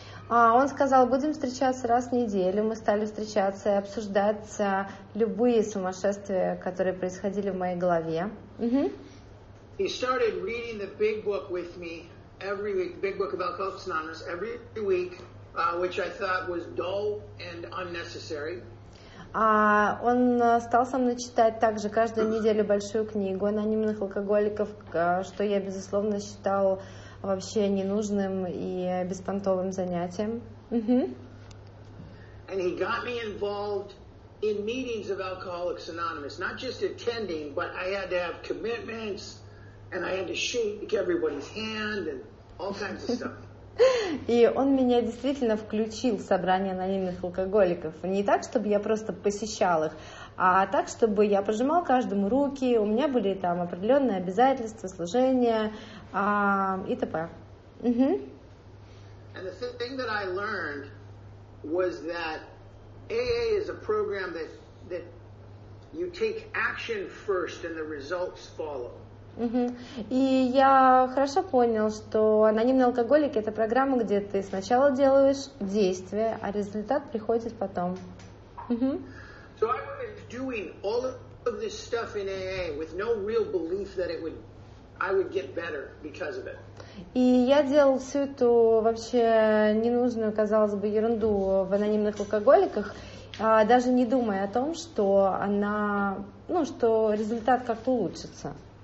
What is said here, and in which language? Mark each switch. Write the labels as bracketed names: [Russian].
[Russian] Он сказал, будем встречаться раз в неделю. Мы стали встречаться и обсуждать любые сумасшествия, которые происходили в моей голове. Mm-hmm. [English] He started reading the big book with me every week, the big book about Alcoholics Anonymous every week, which I thought was dull and unnecessary. [Russian] Он стал со мной читать также каждую неделю большую книгу анонимных алкоголиков, что я, безусловно, считал вообще ненужным и беспонтовым занятием. Uh-huh. [English] And he got me involved in meetings of Alcoholics Anonymous, not just attending, but I had to have commitments, and I had to shake everybody's hand and all kinds of stuff. [Russian] И он меня действительно включил в собрание анонимных алкоголиков. Не так, чтобы я просто посещал их, а так, чтобы я пожимал каждому руки, у меня были там определенные обязательства, служения и т.п. Угу. [English] And the thing that I learned was that AA is a program that you take action first and the results follow. [Russian] И я хорошо понял, что анонимный алкоголик — это программа, где ты сначала делаешь действие, а результат приходит потом. [English] So I was doing all of this stuff in AA with no real belief that it would, I would get better because of it. [Russian] И я делал всю эту вообще ненужную, казалось бы, ерунду в анонимных алкоголиках, даже не думая о том, что она, ну, что результат как-то улучшится.